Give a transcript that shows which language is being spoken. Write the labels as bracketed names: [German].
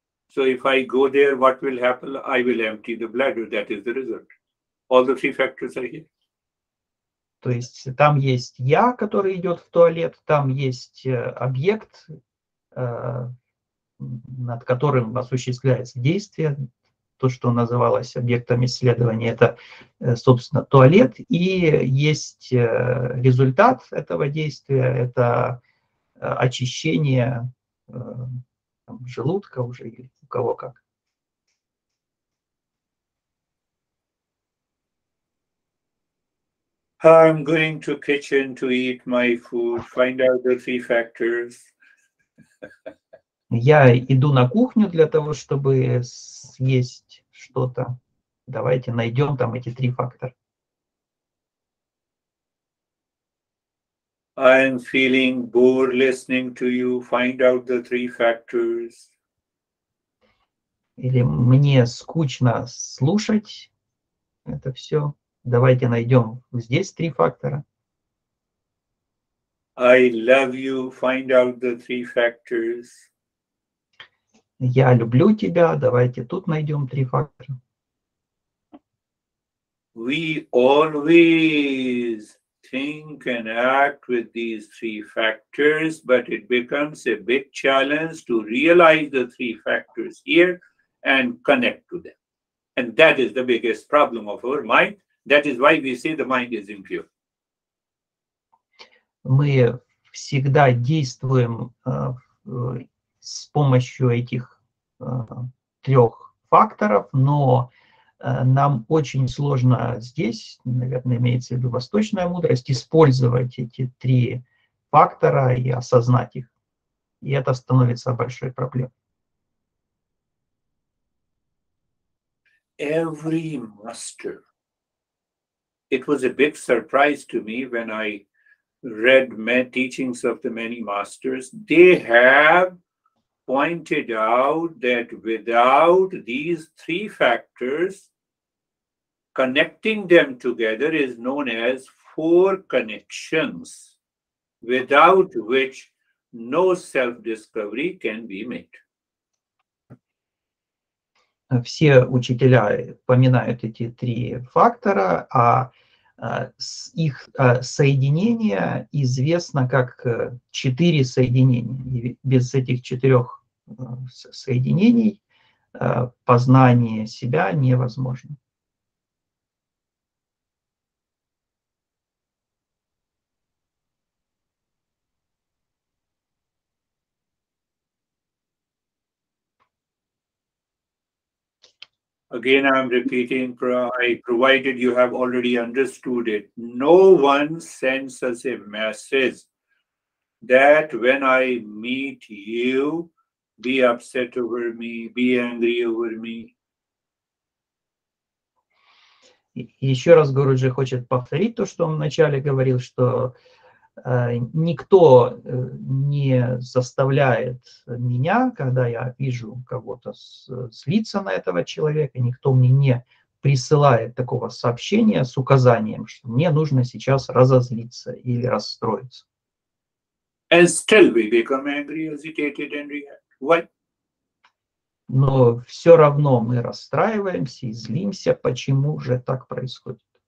[English] So if I go there, what will happen? I will empty the bladder. That is the result. All the three factors are here. [Russian] То есть там есть я, который идет в туалет, там есть объект, над которым осуществляется действие, то, что называлось объектом исследования, это, собственно, туалет, и есть результат этого действия, это очищение там, желудка уже или у кого как. [English] I'm going to kitchen to eat my food, find out the three factors. [Russian] Я иду на кухню для того, чтобы съесть что-то. Давайте найдем там эти три фактора. [English] I am feeling bored listening to you. Find out the three factors. [Russian] Или мне скучно слушать это все. Давайте найдем здесь три фактора. [English] I love you. Find out the three factors. [Russian] Я люблю тебя. Давайте тут найдем три фактора. [English] We always think and act with these three factors, but it becomes a big challenge to realize the three factors here and connect to them. And that is the biggest problem of our mind. That is why we say the mind is impure. [Russian] Мы всегда действуем с помощью этих трех факторов, но нам очень сложно здесь, наверное, имеется в виду восточная мудрость, использовать эти три фактора и осознать их. И это становится большой проблемой. [English] Every master. It was a big surprise to me when I read many teachings of the many masters. They have pointed out that without these three factors, connecting them together is known as four connections, without which no self-discovery can be made. [Russian] Все учителя упоминают эти три фактора, а их соединение известно как четыре соединения. И без этих четырех соединений познание себя невозможно. [English] Again, I'm repeating, provided you have already understood it. No one sends us a message that when I meet you, be upset over me, be angry over me. [Russian] Еще раз Гуруджи хочет повторить то, что он вначале говорил, что никто не заставляет меня, когда я вижу кого-то, злиться на этого человека, никто мне не присылает такого сообщения с указанием, что мне нужно сейчас разозлиться или расстроиться. [English] And still we become angry, agitated and react. Why? [Russian] Но все равно мы расстраиваемся и злимся, почему же так происходит?